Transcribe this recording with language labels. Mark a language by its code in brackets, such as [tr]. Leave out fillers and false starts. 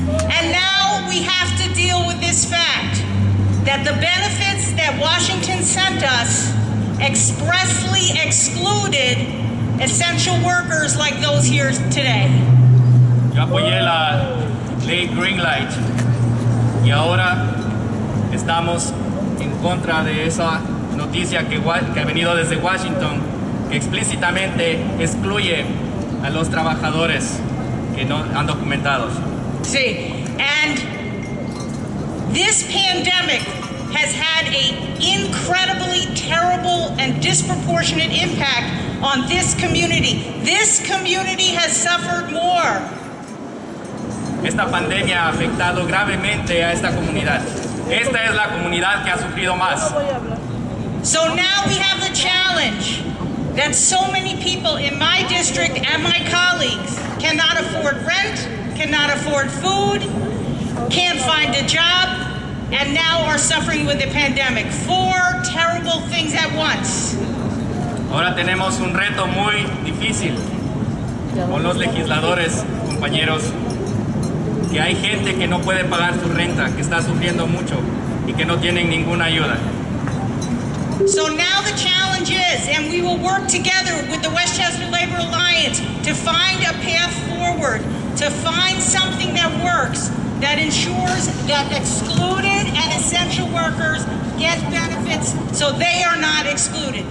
[en] And now we have to deal with this fact that the benefits that Washington sent us expressly excluded essential workers like those here today. [es] Yo apoyé la ley Green Light y ahora estamos en contra de esa noticia que ha venido desde Washington, que explícitamente excluye a los trabajadores que no han documentados. [en] Sí, and this pandemic has had an incredibly terrible and disproportionate impact on this community. This community has suffered more. [es] Esta pandemia ha afectado gravemente a esta comunidad. Esta es la comunidad que ha sufrido más. [en] So now we have the challenge that so many people in my district and my colleagues cannot afford rent, cannot afford food, can't find a job, and now are suffering with the pandemic. Four terrible things at once. [es] Ahora tenemos un reto muy difícil con los legisladores, compañeros. Que hay gente que no puede pagar su renta, que está sufriendo mucho y que no tienen ninguna ayuda. [en] So now the challenge is, and we will work together with the Westchester Labor Alliance to find a path forward, to find something that works, that ensures that excluded and essential workers get benefits so they are not excluded.